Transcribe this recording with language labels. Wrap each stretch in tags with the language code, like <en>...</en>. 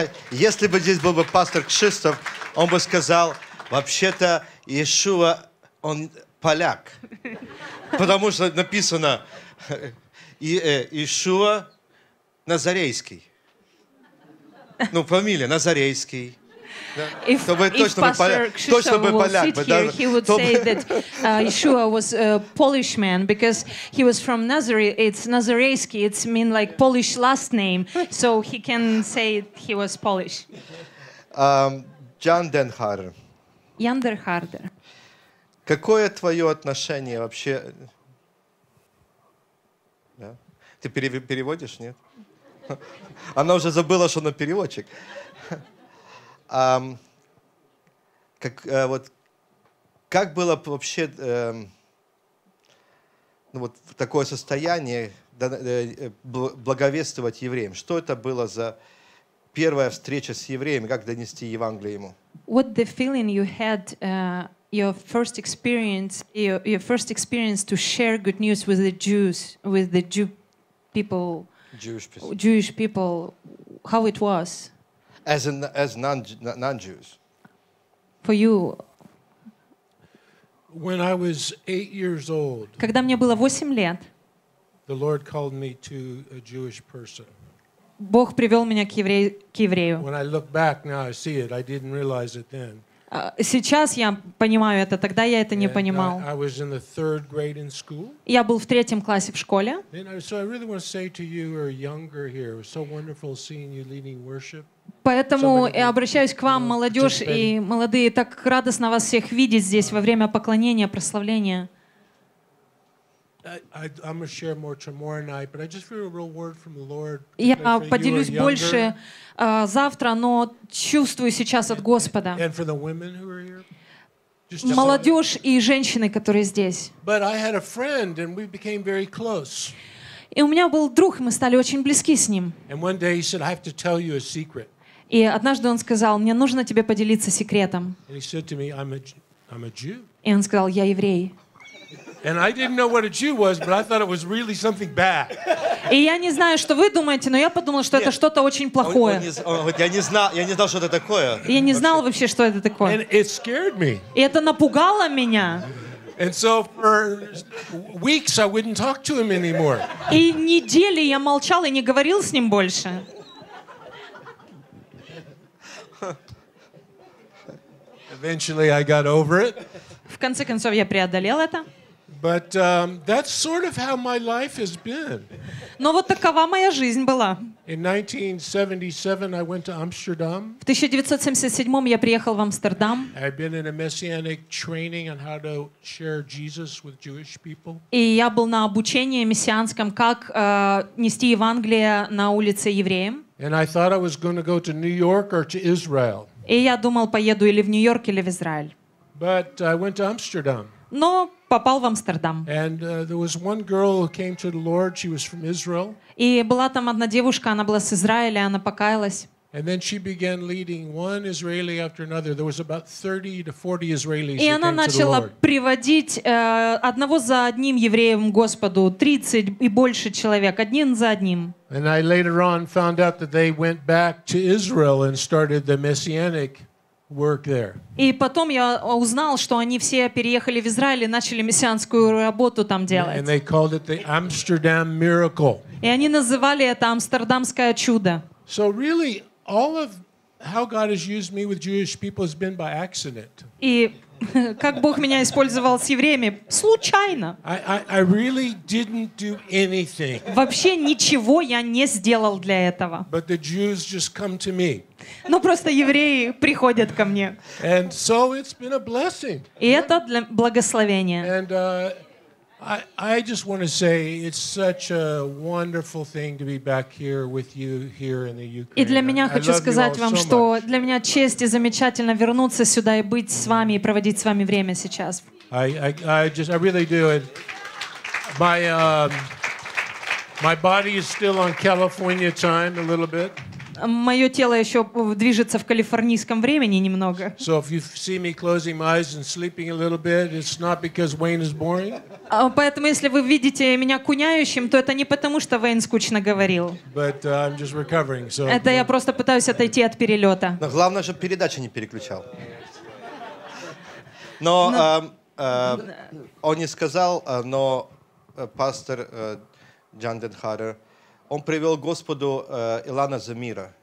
<ru>Если бы здесь был бы пастор Кшистов, он бы сказал, вообще-то, Иешуа, он поляк. Потому что написано Иешуа Назарейский. Ну, фамилия Назарейский. If, чтобы if точно был поляк. Кшиштов точно был поляк.</ru> <en>Here, да, he would say that Иешуа was a Polish man because he was from Nazareth. It's Назарейский. It's mean like Polish last name. So he can say he was Polish.</en> <ru>Джан Денхар. Яндер Хардер. Какое твое отношение вообще? Да? Ты переводишь, нет? Она уже забыла, что она переводчик. Как было вообще вот такое состояние благовествовать евреям? Что это было за первая встреча с евреями? Как донести Евангелие ему?</ru> <en>What the feeling you had, your first experience to share good news with the Jews, with the Jewish people, how it was? As non-Jews. For you. When I was 8 years old.</en> <ru>Когда мне было 8 лет.</ru> <en>The Lord called me to a Jewish person.</en> <ru>Бог привел меня к еврею.</ru> <en>When I look back now, I see it. I didn't realize it then.</en> <ru>Сейчас я понимаю это. Тогда я это не понимал.</ru> <en>I was in the third grade in school.</en> <ru>Я был в третьем классе в школе.</ru> <en>So I really want to say to you who are younger here, it was so wonderful seeing you leading worship.</en> <ru>Поэтому я обращаюсь к вам, молодежь и молодые, так радостно вас всех видеть здесь во время поклонения, прославления.</ru> <en>I'm going to share more tomorrow night, but I just feel a real word from the Lord.</en> <ru>Я поделюсь больше завтра, но чувствую сейчас от Господа.</ru> <en>And for the women who are here.</en> <ru>Молодежь и женщины, которые здесь.</ru> <en>But I had a friend, and we became very close.</en> <ru>И у меня был друг, мы стали очень близки с ним.</ru> <en>And one day he said, "I have to tell you a secret."</en> <ru>И однажды он сказал, мне нужно тебе поделиться секретом.</ru> <en>And he said to me, "I'm a Jew."</en> <ru>И он сказал, я еврей.</ru> <en>And I didn't know what a Jew was, but I thought it was really something bad.</en> <ru>И я не знаю, что вы думаете, но я подумал, что это что-то очень плохое. Я не знал, что это такое. Я не знал вообще, что это такое.</ru> <en>And it scared me.</en> <ru>И это напугало меня.</ru> <en>And so for weeks I wouldn't talk to him anymore.</en> <ru>И недели я молчал и не говорил с ним больше.</ru> <en>Eventually I got over it.</en> <ru>В конце концов я преодолел это.</ru> <en>But that's sort of how my life has been.</en> <ru>Но вот такова моя жизнь была.</ru> <en>In 1977, I went to Amsterdam.</en> <ru>В 1977 я приехал в Амстердам.</ru> <en>I've been in a messianic training on how to share Jesus with Jewish people.</en> <ru>И я был на обучении мессианском, как нести Евангелие на улице евреям.</ru> <en>And I thought I was going to go to New York or to Israel.</en> <ru>И я думал, поеду или в Нью-Йорк, или в Израиль.</ru> <en>But I went to Amsterdam.</en> <ru>Но попал в Амстердам.</ru> <en>And there was one girl who came to the Lord. She was from Israel.</en> <ru>И была там одна девушка, она была с Израиля, она покаялась.</ru> <en>And then she began leading one Israeli after another. There was about 30 to 40 Israelis.</en> <ru>И она начала приводить одного за одним евреям к Господу, 30 и больше человек, один за одним.</ru> <en>And I later on found out that they went back to Israel and started the messianic work there.</en> <ru>И потом я узнал, что они все переехали в Израиль и начали мессианскую работу там делать.</ru> <en>And they called it the Amsterdam miracle.</en> <ru>И они называли это Амстердамское чудо.</ru> <en>So really, all of how God has used me with Jewish people has been by accident.</en> <ru>И как Бог меня использовал с евреями? Случайно.</ru> <en>I really didn't do anything.</en> <ru>Вообще ничего я не сделал для этого.</ru> <en>But the Jews just come to me.</en> <ru>Но просто евреи приходят ко мне.</ru> <en>And so it's been a blessing.</en> <ru>И это для благословения.</ru> <en>And I just want to say it's such a wonderful thing to be back here with you here in the Ukraine.</en> <ru>И для меня хочу сказать вам, что для меня честь и замечательно вернуться сюда и быть с вами и проводить с вами время сейчас.</ru> <en>I really do it. My body is still on California time a little bit.</en> <ru>Мое тело еще движется в калифорнийском времени немного.</ru> <en>So if you see me closing my eyes and sleeping a little bit, it's not because Wayne is boring.</en> <ru>Поэтому, если вы видите меня куняющим, то это не потому, что Вейн скучно говорил.</ru> <en>But, I'm just recovering, so...</en> <ru>Это я просто пытаюсь отойти от перелета. Но главное, чтобы передачу не переключал. Но он не сказал, но пастор Джан Денхарер, он привел Господу Илана Замира.</ru>